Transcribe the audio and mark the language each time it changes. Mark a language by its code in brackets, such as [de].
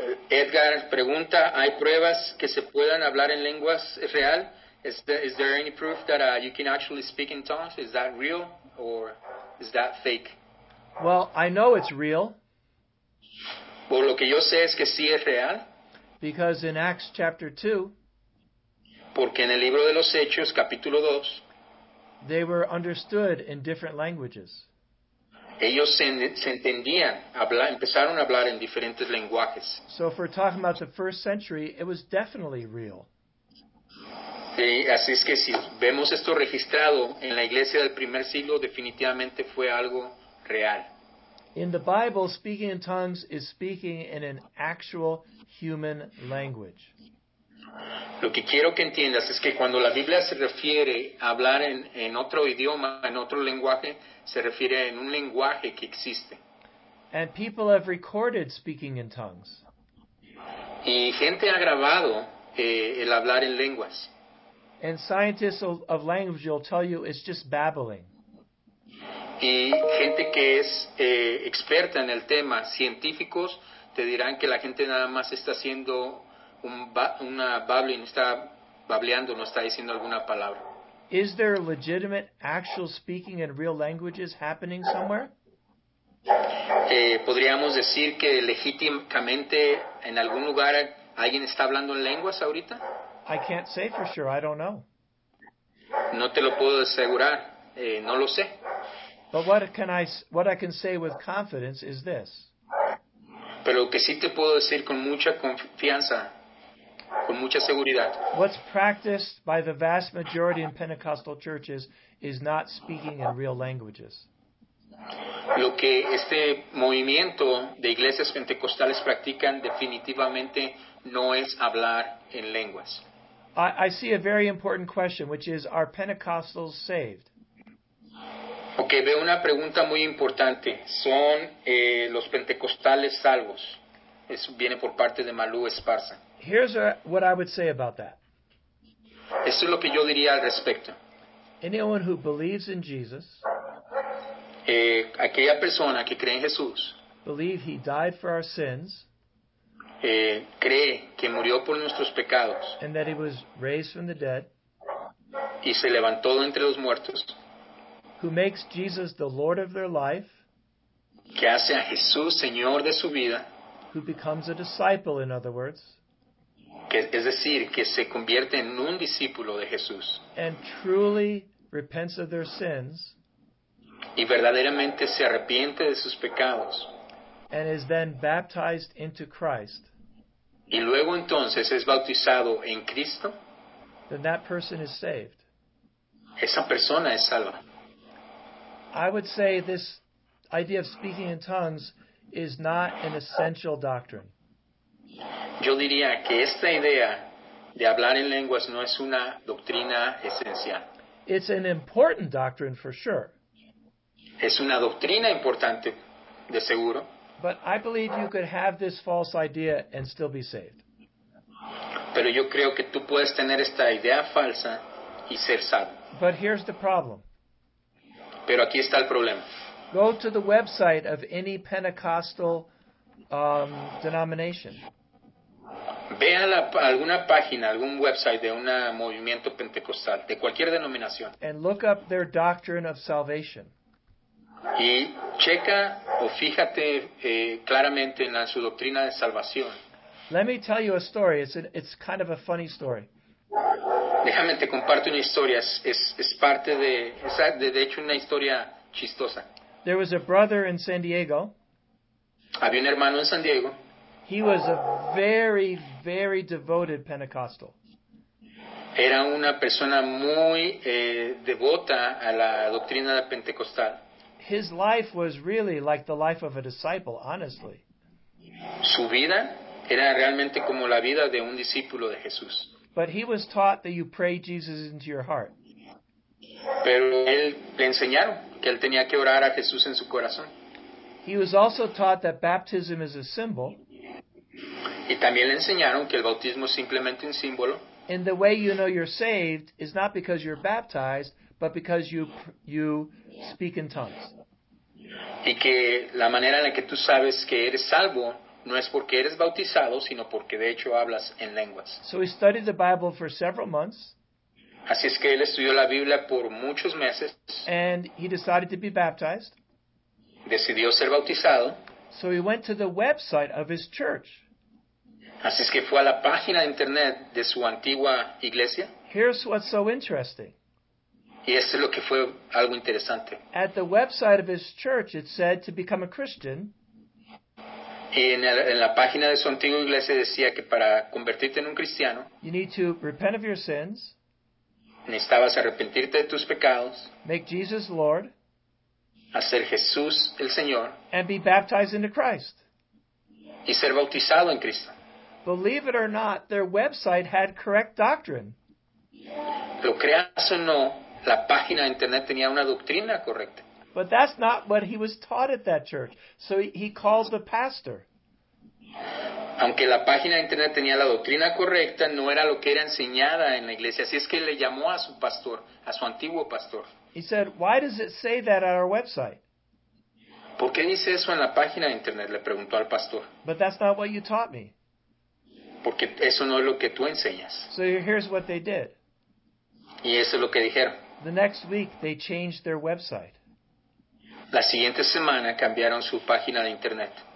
[es] Edgar pregunta, ¿hay pruebas que se puedan hablar en lenguas real? [en] Is there any proof that you can actually speak in tongues? Is that real or is that fake? Well, I know it's real. [es] Por lo que yo sé es que sí es real. [en] Because in Acts chapter 2, [es] porque en el libro de los Hechos, capítulo 2, [en] they were understood in different languages. [es] Ellos se entendían, empezaron a hablar en diferentes lenguajes. [en] So if we're talking about the first century, it was definitely real. [es] Sí, así es que si vemos esto registrado en la iglesia del primer siglo, definitivamente fue algo real. [en] In the Bible, speaking in tongues is speaking in an actual human language. [es] Lo que quiero que entiendas es que cuando la Biblia se refiere a hablar en otro idioma, en otro lenguaje, se refiere en un lenguaje que existe. [en] And people have recorded speaking in tongues. [es] Y gente ha grabado el hablar en lenguas. [en] And scientists of language will tell you it's just babbling. [es] Y gente que es experta en el tema, científicos, te dirán que la gente nada más está haciendo una babbling, está babbleando, no está diciendo alguna palabra. [en] Is there legitimate actual speaking in real languages happening somewhere? [es] ¿Podríamos decir que legítimamente en algún lugar alguien está hablando en lenguas ahorita? [en] I can't say for sure, I don't know. [es] No te lo puedo asegurar, no lo sé. [en] But what I can say with confidence is this. [es] Pero lo que sí te puedo decir con mucha confianza, con mucha seguridad. [en] What's practiced by the vast majority in Pentecostal churches is not speaking in real languages. [es] Lo que este movimiento de iglesias pentecostales practican definitivamente no es hablar en lenguas. [en] I see a very important question, which is, are Pentecostals saved? [es] Okay, veo una pregunta muy importante. ¿Son los pentecostales salvos? Eso viene por parte de Malú Esparza. [en] Here's what I would say about that. [es] Eso es lo que yo diría al respecto. [en] Anyone who believes in Jesus, [es] aquella persona que cree en Jesús, [en] believe he died for our sins, [es] cree que murió por nuestros pecados, [en] and that he was raised from the dead, [es] y se levantó entre los muertos, [en] who makes Jesus the Lord of their life, [es] que hace a Jesús Señor de su vida, [en] who becomes a disciple, in other words, [es] que, es decir, que se convierte en un discípulo de Jesús, [en] and truly repents of their sins, [es] y verdaderamente se arrepiente de sus pecados, [en] and is then baptized into Christ, [es] y luego entonces es bautizado en Cristo, [en] then that person is saved. [es] Esa persona es salva. [en] I would say this idea of speaking in tongues is not an essential doctrine. [es] Yo diría que esta idea de hablar en lenguas no es una doctrina esencial. [en] It's an important doctrine for sure. [es] Es una doctrina importante, de seguro. [en] But I believe you could have this false idea and still be saved. [es] Pero yo creo que tú puedes tener esta idea falsa y ser salvo. [en] But here's the problem. [es] Pero aquí está el problema. [en] Go to the website of any Pentecostal denomination. [es] Ve a alguna página, algún website de un movimiento pentecostal, de cualquier denominación. [en] And look up their doctrine of salvation. [es] Y checa o fíjate claramente en su doctrina de salvación. [en] Let me tell you a story. It's kind of a funny story. [es] Déjame te comparto una historia. Es de hecho una historia chistosa. [en] There was a brother in San Diego. [es] Había un hermano en San Diego. [en] He was a very, very devoted Pentecostal. [es] Era una persona muy devota a la doctrina de Pentecostal. [en] His life was really like the life of a disciple, honestly. [es] Su vida era realmente como la vida de un discípulo de Jesús. [en] But he was taught that you pray Jesus into your heart. [es] Pero él le enseñaron que él tenía que orar a Jesús en su corazón. [en] He was also taught that baptism is a symbol. [es] Y también le enseñaron que el bautismo es simplemente un símbolo. [en] And the way you know you're saved is not because you're baptized, but because you speak in tongues. [es] Y que la manera en la que tú sabes que eres salvo no es porque eres bautizado, sino porque de hecho hablas en lenguas. [en] So he studied the Bible for several months. [es] Así es que él estudió la Biblia por muchos meses. [en] And he decided to be baptized. [es] Decidió ser bautizado. [en] So he went to the website of his church. [es] Así es que fue a la página de internet de su antigua iglesia. [en] Here's what's so interesting. [es] Y esto es lo que fue algo interesante. [en] At the website of his church, it said to become a Christian. [es] Y en la página de su antigua iglesia decía que para convertirte en un cristiano. [en] You need to repent of your sins. [es] Necesitabas arrepentirte de tus pecados. [en] Make Jesus Lord. [es] Hacer Jesús el Señor. [en] And be baptized into Christ. [es] Y ser bautizado en Cristo. [en] Believe it or not, their website had correct doctrine. [es] Lo creas o no, la página de internet tenía una doctrina correcta. [en] But that's not what he was taught at that church. So he called the pastor. [es] Aunque la página de internet tenía la doctrina correcta, no era lo que era enseñada en la iglesia. Así es que le llamó a su pastor, a su antiguo pastor. [en] He said, "Why does it say that at our website?" [es] ¿Por qué dice eso en la página de internet? Le preguntó al pastor. [en] But that's not what you taught me. [es] Porque eso no es lo que tú enseñas. [en] So here's what they did. [es] Y eso es lo que dijeron. [en] The next week they changed their website. [es] La siguiente semana cambiaron su página de internet.